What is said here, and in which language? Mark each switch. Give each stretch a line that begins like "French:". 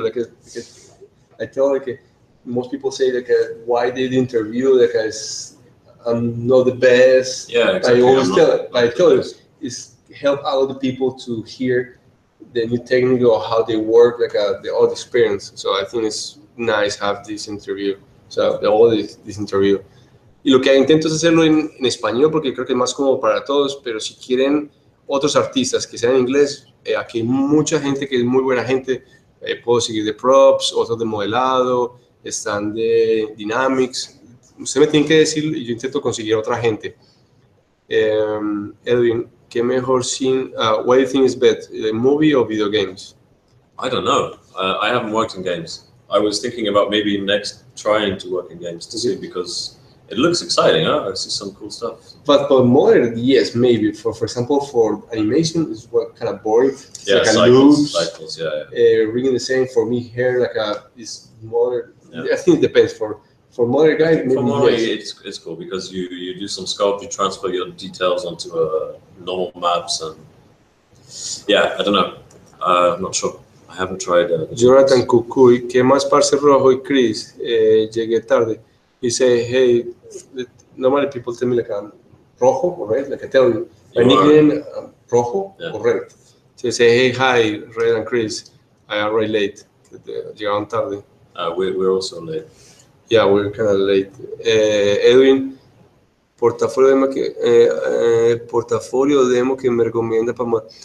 English: Like, I tell them, like, most people say, like, why they did the interview, like, I'm not the best. Yeah, exactly. I always tell them, it's help out the people to hear the new technique or how they work, like, the old experience. So I think it's nice to have this interview. So all this interview.
Spanish: Y lo que intento es hacerlo en español, porque creo que es más cómodo para todos, pero si quieren otros artistas que sean en inglés, aquí hay mucha gente que es muy buena gente. Puedo seguir de props, otros de modelado, están de dynamics. Usted me tiene que decir y yo intento conseguir otra gente. Edwin, ¿qué mejor sin?
English: What do you think is better, the movie or video games? I don't know. I haven't worked in games. I was thinking about maybe next trying to work in games to see, because it looks exciting, huh? I see some cool stuff. But for modern, yes, maybe. For example, for animation, it's kind of boring. It's like cycles, loops. Ringing the same for me here, it's modern. Yeah. I think it depends. For modern guys, maybe. For modern, yes. It's cool because you do some sculpt, you transfer your details onto normal maps, and yeah, I don't know. I'm not sure. I haven't tried it.
Spanish: Jonathan Kukui, ¿qué más parce rojo y Chris? Llegué tarde.
English: He said, hey, normally people tell me like I'm rojo or red, like I tell you. My nickname, rojo or red. So they say, hey, hi, Red and Chris, I am really late.
Spanish: Llegaron tarde.
English: We're also late. Yeah, we're kind of late. Edwin,
Spanish: portafolio demo que me recomienda para.